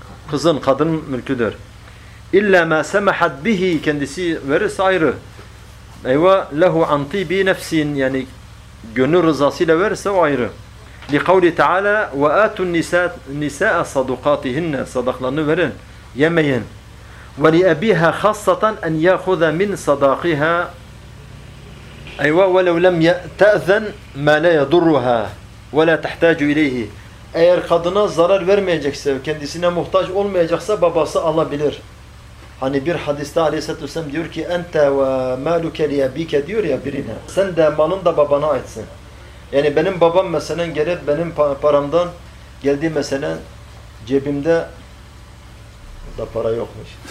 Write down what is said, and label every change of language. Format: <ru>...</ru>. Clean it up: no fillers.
<tr>Kızın, kadının mülküdür.</tr> <ar>İlla ma semahat bihi,</ar> <tr>kendisi verirse ayrı.</tr> <ar>Eyva lehu an tibi nefsin,</ar> <tr>yani gönül rızasıyla verirse o ayrı.</tr> <ar>Li kavli taala ve atun nisa'a sadakatihinne,</ar> <tr>sadaklarını verin, yemeyin.</tr> <ar>Ve li abiha khassatan an ya'khudha min sadaqiha, أيوة ولو لم تأذن ما لا يضرها ولا تحتاج إليه.</ar> <tr>Eğer kadına zarar vermeyecekse, kendisine muhtaç olmayacaksa babası alabilir. Hani bir hadiste Aleyhisselatü Vesselam diyor ki</tr> <ar>ente ve maluke liye bike</ar> <tr>diyor ya birine. Sen de malın da babana aitsin. Yani benim babam mesela gelip benim paramdan geldi mesela cebimde da para yokmuş.</tr>